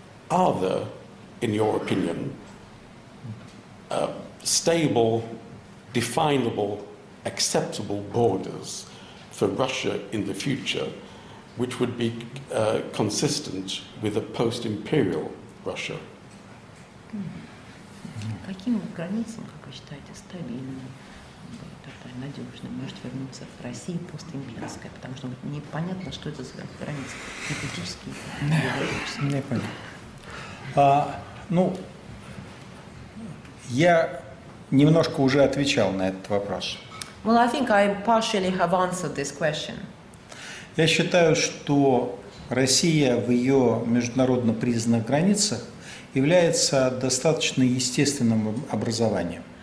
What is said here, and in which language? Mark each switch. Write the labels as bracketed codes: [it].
[en] Are there, in your opinion, stable, definable, acceptable borders for Russia in the future, which would be consistent with a post-imperial Russia. [ru] Каким границам, как вы считаете, стабильным, такой надежным, может вернуться в Россию постимперская, потому что непонятно, что это за границы, не политические, не политические. Не понятно. Ну, я немножко уже отвечал на этот вопрос. [en] Well, I think I partially have answered this question. [ru] Я считаю, что Россия в ее международно признанных границах является достаточно естественным образованием.